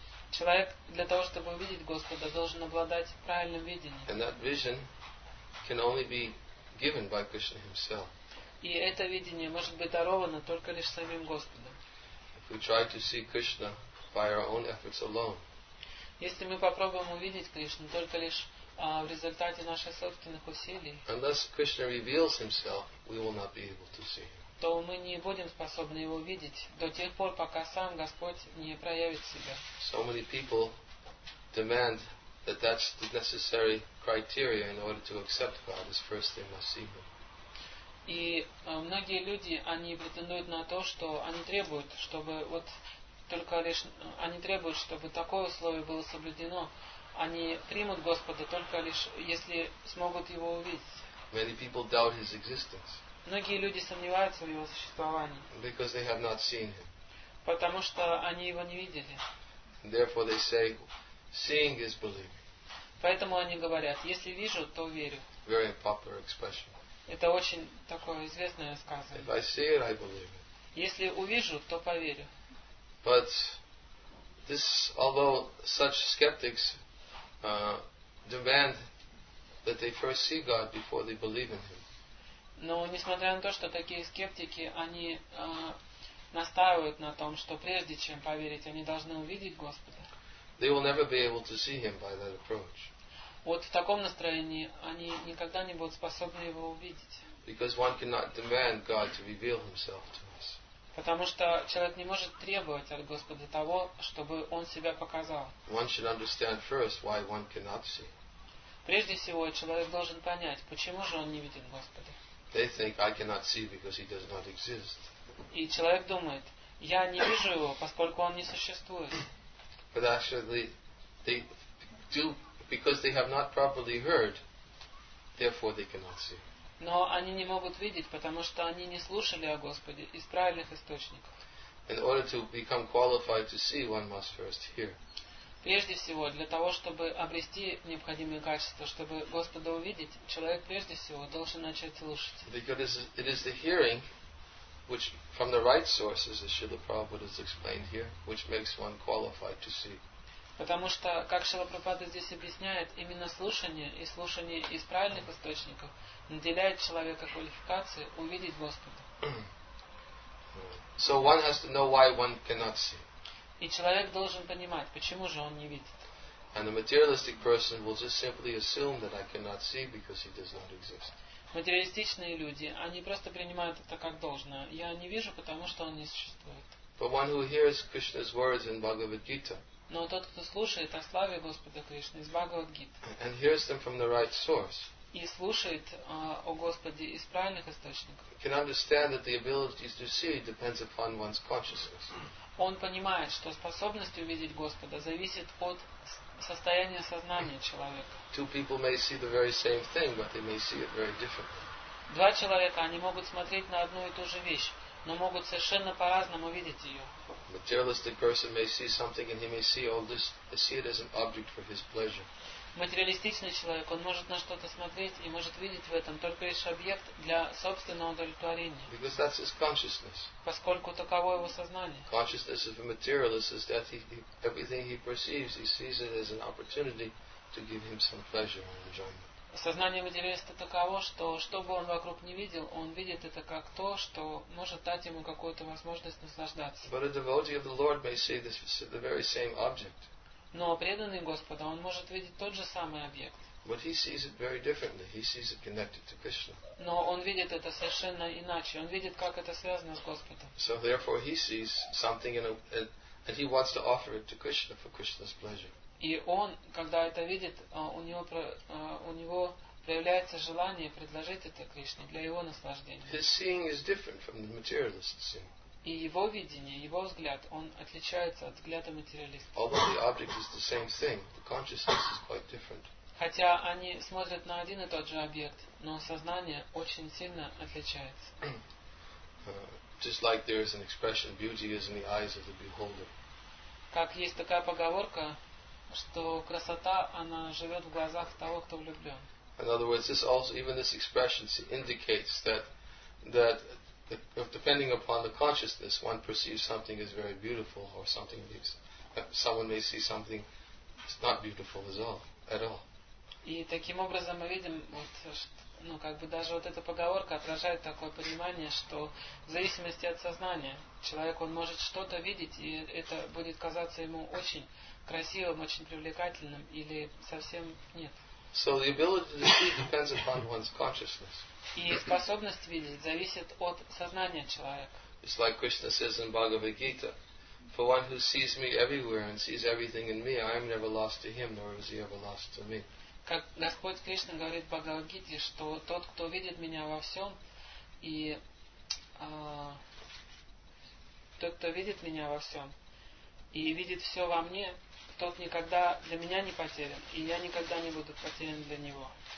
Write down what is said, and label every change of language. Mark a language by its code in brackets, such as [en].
[ru] Человек для того, чтобы увидеть Господа, должен обладать правильным видением. [en] And that vision can only be given by Krishna Himself. [ru] И это видение может быть даровано только лишь самим Господом. [en] If we try to see Krishna by our own efforts alone. [ru] Если мы попробуем увидеть Кришну только лишь в результате наших собственных усилий. [en] Unless Krishna reveals Himself, we will not be able to see Him. [ru] То мы не будем способны его видеть до тех пор, пока сам Господь не проявит себя. [en] So many people demand that that's the necessary criteria in order to accept God as first they must see Him. [ru] И многие люди, они претендуют на то, что они требуют, чтобы вот только лишь они требуют, чтобы такое условие было соблюдено. Они примут Господа только лишь если смогут его увидеть. [en] Many people doubt His existence. [ru] Многие люди сомневаются в его существовании. [en] Because they have not seen him. [ru] Потому что они его не видели. [en] Therefore they say, seeing is believing. [ru] Поэтому они говорят, если вижу, то верю. [en] Very popular expression. [ru] Это очень такое известное сказание. [en] If I see it, I believe it. [ru] Если увижу, то поверю. [en] But This, although such skeptics demand that they first see God before they believe in Him. [ru] Но несмотря на то, что такие скептики, они настаивают на том, что прежде чем поверить, они должны увидеть Господа. [en] They will never be able to see Him by that approach. [ru] Вот в таком настроении они никогда не будут способны Его увидеть. [en] Because one cannot demand God to reveal Himself to us. [ru] Потому что человек не может требовать от Господа того, чтобы Он себя показал. [en] One should understand first why one cannot see. [ru] Прежде всего, человек должен понять, почему же он не видит Господа. [en] They think I cannot see because He does not exist. [ru] И человек думает, я не вижу Его, поскольку Он не существует. [en] But actually, they do because they have not properly heard, therefore they cannot see. [ru] Но они не могут видеть, потому что они не слушали о Господе из правильных источников. [en] In order to become qualified to see, one must first hear. [ru] Прежде всего, для того, чтобы обрести необходимые качества, чтобы Господа увидеть, человек прежде всего должен начать слушать. [en] Because it is the hearing, which from the right sources, as Srila Prabhupada has explained here, which makes one qualified to see. [ru] Потому что, как Шрила Прабхупада здесь объясняет, именно слушание и слушание из правильных источников наделяет человека квалификацией увидеть Господа. [en] So one has to know why one cannot see. [ru] И человек должен понимать, почему же он не видит. [en] And a materialistic person will just simply assume that I cannot see because He does not exist. [ru] Материалистичные люди, они просто принимают это как должное. Я не вижу, потому что он не существует. [en] But one who hears Krishna's words in Bhagavad Gita. [ru] Но тот, кто слушает о славе Господа Кришны из Бхагавад-гиты, [en] and hears them from the right source, [ru] и слушает о Господе из правильных источников, [en] can understand that the ability to see depends upon one's consciousness. [ru] Он понимает, что способность увидеть Господа зависит от состояния сознания человека. [en] Two people may see the very same thing, but they may see it very differently. [ru] Два человека, они могут смотреть на одну и ту же вещь, но могут совершенно по-разному видеть ее. [en] Materialistic person may see something and he may see all this, see it as an object for his pleasure. [ru] Материалистичный человек, он может на что-то смотреть и может видеть в этом только лишь объект для собственного удовлетворения. [en] Because that's his consciousness. [ru] Поскольку таково его сознание. [en] Consciousness of a materialist is that everything he perceives, he sees it as an opportunity to give him some pleasure and enjoyment. [ru] Сознание материалиста таково, что что бы он вокруг не видел, он видит это как то, что может дать ему какую-то возможность наслаждаться. [en] But a devotee of the Lord may see this, the very same object. [ru] Но преданный Господа, он может видеть тот же самый объект. [en] But he sees it very differently. He sees it connected to Krishna. [ru] Но он видит это совершенно иначе. Он видит, как это связано с Господом. [en] So therefore he sees something in and he wants to offer it to Krishna for Krishna's pleasure. [ru] И он, когда это видит, у него проявляется желание предложить это Кришне для его наслаждения. [en] His seeing is different from the materialist's seeing. [ru] И его видение, его взгляд, он отличается от взгляда материалиста. [en] Although the object is the same thing, the consciousness is quite different. [ru] Хотя они смотрят на один и тот же объект, но сознание очень сильно отличается. [en] Just like there is an expression, beauty is in the eyes of the beholder. [ru] Как есть такая поговорка, что красота, она живет в глазах того, кто влюблен. [en] In other words, this also, even this expression indicates that depending upon the consciousness, one perceives something as very beautiful or something is, someone may see something that's not beautiful at all. [ru] И таким образом мы видим, вот, что, ну, как бы даже вот эта поговорка отражает такое понимание, что в зависимости от сознания, человек, он может что-то видеть, и это будет казаться ему очень красивым, очень привлекательным или совсем нет. [en] So the ability to see depends upon one's consciousness. [ru] И способность видеть зависит от сознания человека. [en] It's like Krishna says in Bhagavad Gita, for one who sees me everywhere and sees everything in me, I am never lost to him, nor is he ever lost to me. [ru] Как Господь Кришна говорит в Бхагавад Гите, что тот, кто видит меня во всем и тот, кто видит меня во всем и видит все во мне, тот никогда для меня не потерян, и я никогда не буду потерян для него.